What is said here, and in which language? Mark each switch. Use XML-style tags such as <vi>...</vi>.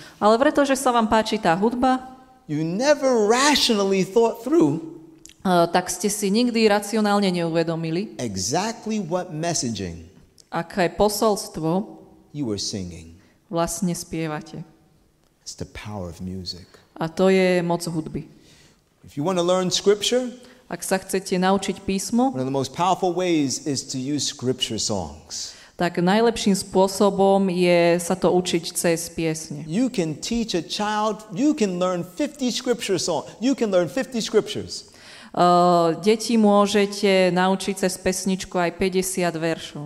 <sk>ale pretože sa vám páči tá hudba,</sk> <en>you never rationally thought through,</en> <sk>tak ste si nikdy racionálne neuvedomili,</sk> <en>exactly what messaging,</en> <sk>aké posolstvo</sk> <en>you were singing,</en> <sk>vlastne spievate.</sk> <en>It's the power of music.</en> <sk>A to je moc hudby.</sk> <en>If you want to learn scripture,</en> <sk>ak sa chcete naučiť písmo,</sk> <en>one of the most powerful ways is to use scripture songs.</en> <sk>Tak najlepším spôsobom je sa to učiť cez piesne.</sk> <en>You can teach a child, you can learn 50 scripture songs. You can learn 50 scriptures.</en> <sk>Deti môžete naučiť cez pesničku aj 50 veršov.</sk>